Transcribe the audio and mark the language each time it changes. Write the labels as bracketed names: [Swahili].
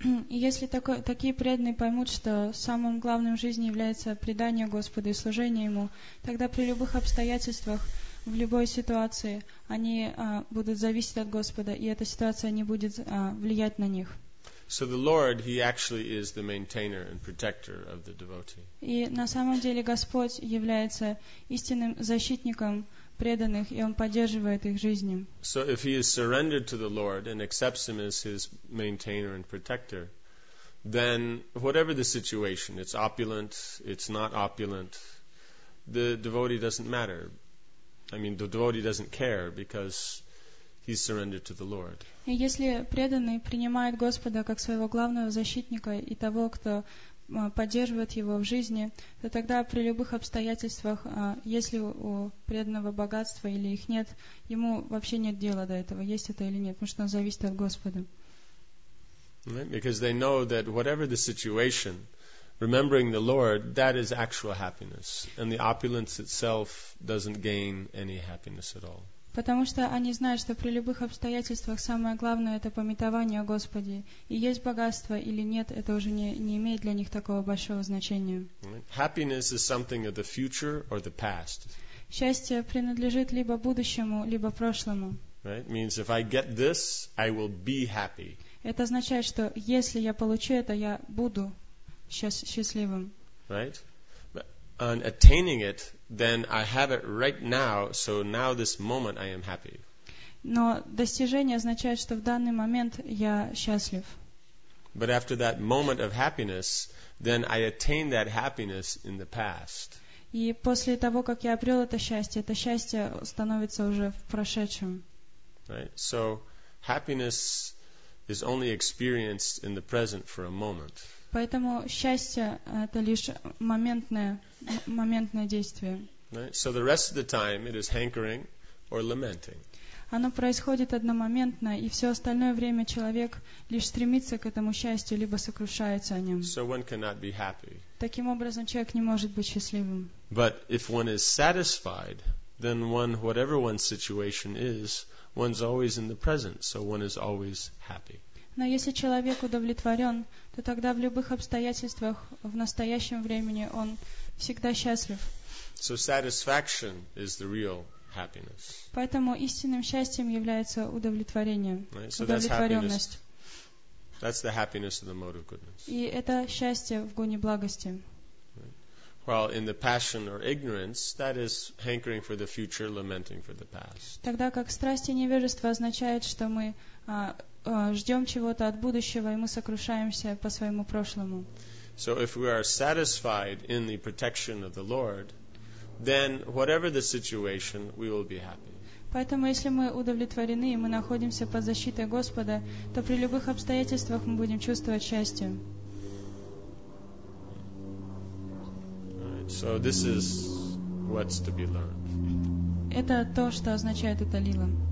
[Russian] И если такие преданные поймут, что самым главным в жизни является предание Господу и служение Ему, тогда при любых обстоятельствах, в любой ситуации, они будут зависеть от Господа, и эта ситуация не будет влиять на них. [English] So the Lord, He actually is the maintainer and protector of the devotee. [Russian] И на самом деле Господь является истинным защитником преданных, и Он поддерживает их жизни. [English] So if he is surrendered to the Lord and accepts him as his maintainer and protector, then whatever the situation, it's opulent, it's not opulent, the devotee doesn't matter. I mean, the devotee doesn't care because he's surrendered to the Lord. [Russian] И если преданный принимает Господа как своего главного защитника и того, кто поддерживает его в жизни, то тогда при любых обстоятельствах, если у преданного богатства или их нет, ему вообще нет дела до этого, есть это или нет, потому что он зависит от Господа. [English] Right? Because they know that whatever the situation, remembering the Lord, that is actual happiness. And the opulence itself doesn't gain any happiness at all. [Russian] Потому что они знают, что при любых обстоятельствах самое главное — это памятование о Господе. И есть богатство или нет, это уже не имеет для них такого большого значения. [English] Happiness is something of the future or the past. [Russian] Счастье принадлежит либо будущему, либо прошлому. [English] Right? Means if I get this, I will be happy. [Russian] Это означает, что если я получу это, я буду счастливым. [English] Right? On attaining it, then I have it right now, so now this moment I am happy. [Russian] Но достижение означает, что в данный момент я счастлив. [English] But after that moment of happiness, then I attained that happiness in the past. [Russian] И после того, как я обрел это счастье становится уже в прошедшем. [English] Right? So happiness is only experienced in the present for a moment. [Russian] Поэтому счастье — это лишь моментное действие. [English] Right? So the rest of the time it is hankering or lamenting. [Russian] Оно происходит одномоментно, и все остальное время человек лишь стремится к этому счастью, либо сокрушается о нем. [English] So one cannot be happy. [Russian] Таким образом, человек не может быть счастливым. [English] But if one is satisfied, then one, whatever one's situation is, one's always in the present, so one is always happy. [Russian] Но если человек удовлетворен, то тогда в любых обстоятельствах в настоящем времени он всегда счастлив. [English] So satisfaction is the real happiness. [Russian] Поэтому истинным счастьем является удовлетворение, [English] right? So [Russian] удовлетворенность. [English] That's the happiness of the mode of goodness. [Russian] И это счастье в гуне благости. [English] While in the passion or ignorance, that is hankering for the future, lamenting for the past. [Russian] Тогда как страсть и невежество означает, что мы ждем чего-то от будущего, и мы сокрушаемся по своему прошлому. [English] So if we are satisfied in the protection of the Lord, then whatever the situation, we will be happy. [Russian] Поэтому если мы удовлетворены и мы находимся под защитой Господа, то при любых обстоятельствах мы будем чувствовать счастье. [English] So this is what's to be learned. [Russian] Это то, что означает эта лила.